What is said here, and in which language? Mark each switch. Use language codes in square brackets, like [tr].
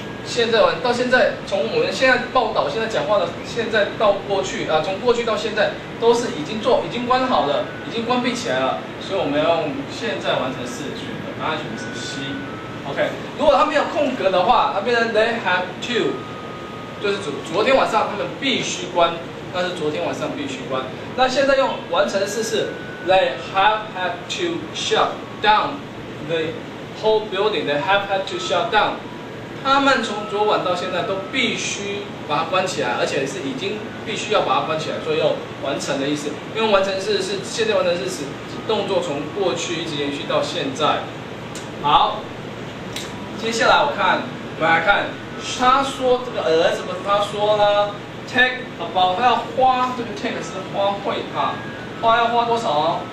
[zh] 现在完到现在，从我们现在报道现在讲话的现在到过去啊，从过去到现在都是已经做已经关好了，已经关闭起来了，所以我们要用现在完成式选的答案选择是 C。 OK， 如果他没有空格的话，那变成 [en] they have to， [zh] 就是昨天晚上他们必须关，那是昨天晚上必须关。那现在用完成式是 [en] they have had to shut down the whole building， they have had to shut down。 [zh] 他们从昨晚到现在都必须把它关起来，而且是已经必须要把它关起来，所以要完成的意思。因为完成式是现在完成式是动作从过去一直延续到现在。好，接下来我们来看，他说这个儿子不是他说呢 ？Take about 他要花，这个 take 是花费哈，花要花多少？